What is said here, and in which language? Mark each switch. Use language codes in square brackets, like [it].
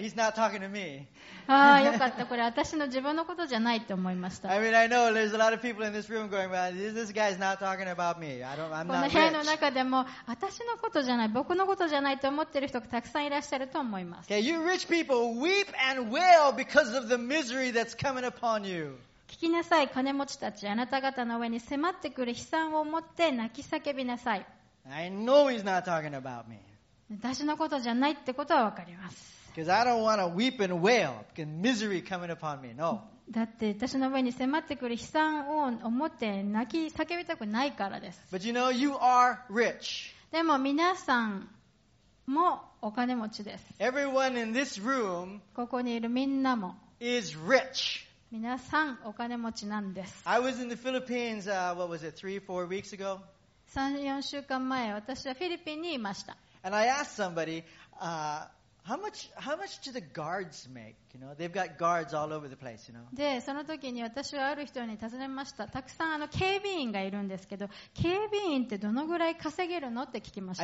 [en] He's not talking to me." [ja] ああ、よかった。これ私の自分のことじゃないって思いました。 [en] I mean, I know there's a lot of people in this room going, "Well, this guy's not talking about me. I'm not rich." [ja] この部屋の中でも私のことじゃない、僕のことじゃないと思ってる人がたくさんいらっしゃると思います。 [en] Okay, you rich people weep and wail because of the misery that's coming upon you. [ja] 聞きなさい、金持ちたち、あなた方の上に迫ってくる悲惨を持って泣き叫びなさい。 [en] I know he's not talking about me. [ja] 私のことじゃないってことは分かります。 [en] Because I don't want to weep and wail, misery coming upon me. No. [ja] だって私の上に迫ってくる悲惨を思って泣き叫びたくないからです。 [en] But you know, you are rich. [ja] でも皆さんもお金持ちです。 [en] Everyone in this room [ja] ここにいるみんなも [en] is rich. [ja] 皆さんお金持ちなんです。 [en] I was in the Philippines, what was it, three, four weeks ago? [ja] 3、4週間前、私はフィリピンにいました。 [en] And I asked somebody, how much do the guards make? You know, they've got guards all over the place, you know. [ja] で、その時に私はある人に尋ねました。たくさん警備員がいるんですけど、警備員ってどのぐらい稼げるのって聞きました。